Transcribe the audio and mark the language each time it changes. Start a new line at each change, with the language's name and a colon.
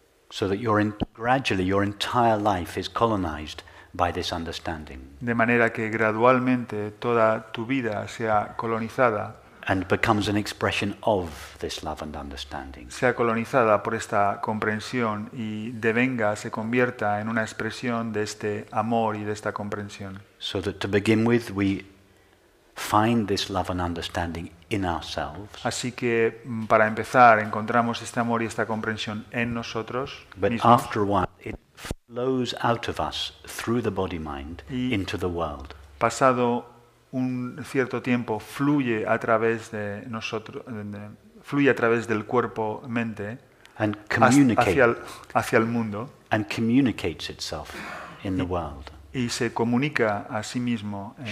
English: So that gradually your entire life is colonized by this understanding.
Spanish: De manera que gradualmente toda tu vida sea colonizada.
English: And becomes an expression of this love and understanding.
Spanish: Sea colonizada por esta comprensión y devenga, se convierta en una expresión de este amor y de esta comprensión.
English: So that to begin with we find this love and understanding in ourselves.
Spanish: Así que para empezar encontramos este amor y esta comprensión en nosotros mismos.
English: But after a while it flows out of us through the body mind into the world.
Spanish: Pasado un cierto tiempo fluye a través de nosotros, fluye a través del cuerpo mente hacia el mundo.
English: And communicates itself in the world.
Spanish: Y se comunica a sí mismo en el